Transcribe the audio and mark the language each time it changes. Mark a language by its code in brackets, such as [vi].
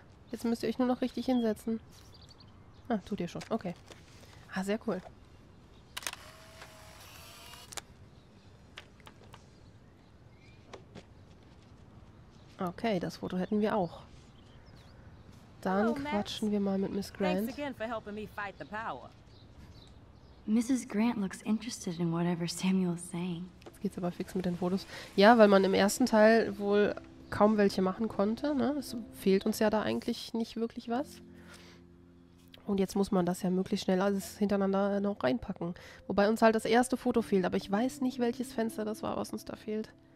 [de] Jetzt müsst ihr euch nur noch richtig hinsetzen. Ah, tut ihr schon. Okay. Ah, sehr cool. Okay, das Foto hätten wir auch. Dann quatschen wir mal mit Miss Grant. [en] Thanks again for helping me fight the power. Mrs. Grant looks interested in whatever Samuel's saying. [de] Jetzt geht's aber fix mit den Fotos. Ja, weil man im ersten Teil wohl kaum welche machen konnte. Ne? Es fehlt uns ja da eigentlich nicht wirklich was. Und jetzt muss man das ja möglichst schnell alles hintereinander noch reinpacken. Wobei uns halt das erste Foto fehlt, aber ich weiß nicht, welches Fenster das war, was uns da fehlt.